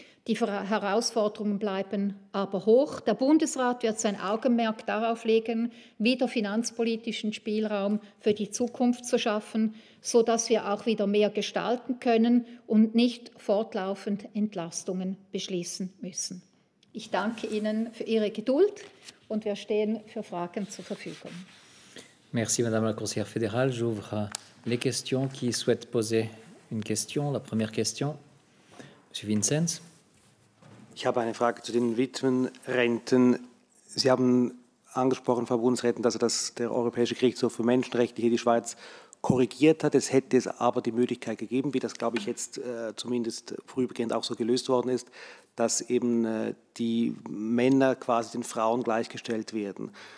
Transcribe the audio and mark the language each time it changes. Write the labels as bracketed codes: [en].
[de] Die Herausforderungen bleiben aber hoch. Der Bundesrat wird sein Augenmerk darauf legen, wieder finanzpolitischen Spielraum für die Zukunft zu schaffen, sodass wir auch wieder mehr gestalten können und nicht fortlaufend Entlastungen beschließen müssen. Ich danke Ihnen für Ihre Geduld und wir stehen für Fragen zur Verfügung. [fr] Merci, Madame la Conseillère fédérale. J'ouvre les questions. Qui souhaite poser une question? La première question, Monsieur Vincenz. [de] Ich habe eine Frage zu den Witwenrenten. Sie haben angesprochen, Frau Bundesrätin, dass der Europäische Gerichtshof für Menschenrechte hier die Schweiz korrigiert hat. Es hätte es aber die Möglichkeit gegeben, wie das, glaube ich, jetzt zumindest vorübergehend auch so gelöst worden ist, dass eben die Männer quasi den Frauen gleichgestellt werden.